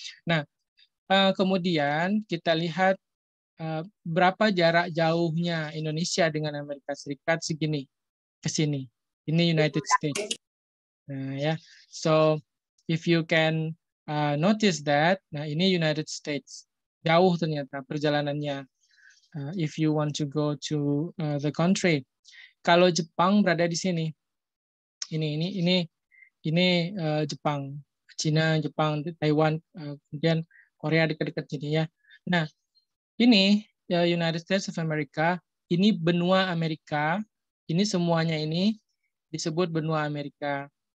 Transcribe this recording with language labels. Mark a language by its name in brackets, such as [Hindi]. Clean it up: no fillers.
[Indonesian] Nah, kemudian kita lihat berapa jarak jauhnya Indonesia dengan Amerika Serikat segini ke sini. Ini United States. Nah, ya. [English] So, if you can notice that, [Indonesian] nah ini United States. Jauh ternyata perjalanannya. [English] If you want to go to the country. [Indonesian] Kalau Jepang berada di sini. Ini Jepang, Cina, Jepang, Taiwan, kemudian Korea dekat-dekat sini ya. Nah, ini United States of America, ini benua Amerika, ini semuanya ini disebut benua Amerika.